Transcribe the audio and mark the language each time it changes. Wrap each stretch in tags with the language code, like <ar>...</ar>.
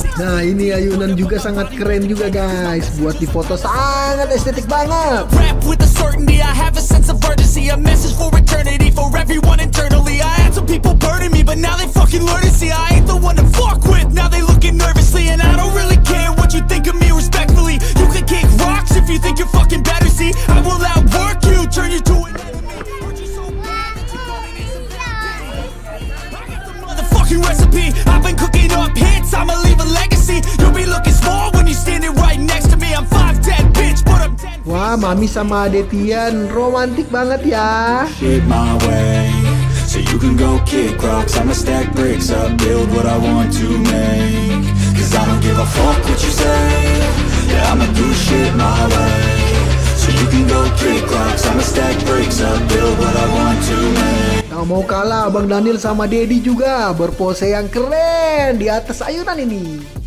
<id>Nah, ini ayunan juga sangat keren juga guys. Buat di foto sangat estetik banget.</id> <en>Rap with a certainty, I have a sense of urgency. A message for eternity, for everyone internally. I had some people burning me, but now they fucking learn to see. I ain't the one to fuck with, now they looking nervously. And I don't really care what you think of me respectfully. You can kick rocks if you think you're fucking better, see. I will outwork you, turn you to an enemy. Weren't you so mad that you thought it needs some therapy? I got the motherfucking recipe. I've been cooking up hits, I'ma leave a legacy. You'll be looking small when you're standing right next to me. I'm 5'10", bitch, but I'm 10.</en> <id>Wah, Mami sama Adetian, romantik banget ya.</id> <en>Shit my way, so you can go kick rocks. I'ma stack bricks up, build what I want to make. Cause I don't give a fuck what you say. Yeah, I'ma do shit my way. So you can go kick rocks. I'ma stack bricks up, build what I want to make.</en> <id>Gak mau kalah Bang Daniel sama Daddy juga. Berpose yang keren di atas ayunan ini.</id>